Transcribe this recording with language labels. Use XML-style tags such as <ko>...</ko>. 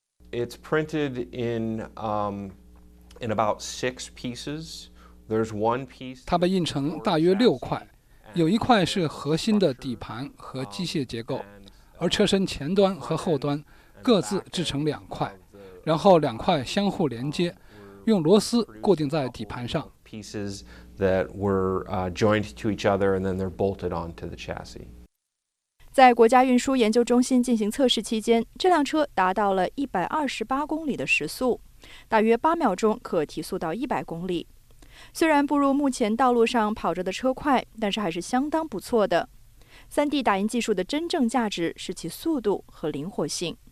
<en>It's printed in about 6 pieces. There's 1 piece.</en> <zh>它被印成大约6块，有一块是核心的底盘和机械结构，而车身前端和后端各自制成2块，然后2块相互连接，用螺丝固定在底盘上。</zh> <en>That were joined to each other and then they're bolted onto the chassis.</en> <zh>在国家运输研究中心进行测试期间，这辆车达到了128公里的时速，大约8秒钟可提速到100公里。虽然不如目前道路上跑着的车快，但是还是相当不错的。 3D 打印技术的真正价值是其速度和灵活性。</zh>